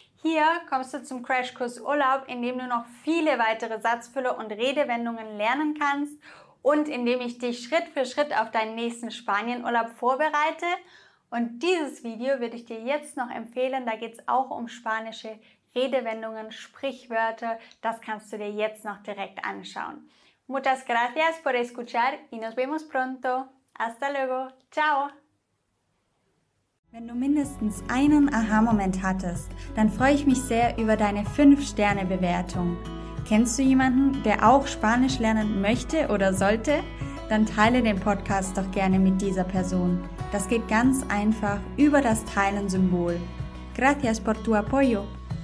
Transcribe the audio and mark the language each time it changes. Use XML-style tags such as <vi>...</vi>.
<de>Hier kommst du zum Crashkurs Urlaub, in dem du noch viele weitere Satzfüller und Redewendungen lernen kannst und in dem ich dich Schritt für Schritt auf deinen nächsten Spanienurlaub vorbereite. Und dieses Video würde ich dir jetzt noch empfehlen, da geht es auch um spanische Redewendungen, Sprichwörter, das kannst du dir jetzt noch direkt anschauen.</de> <es>Muchas gracias por escuchar y nos vemos pronto. Hasta luego. Ciao.</es> <de>Wenn du mindestens einen Aha-Moment hattest, dann freue ich mich sehr über deine 5-Sterne-Bewertung. Kennst du jemanden, der auch Spanisch lernen möchte oder sollte? Dann teile den Podcast doch gerne mit dieser Person. Das geht ganz einfach über das Teilen-Symbol.</de> <es>Gracias por tu apoyo.</es>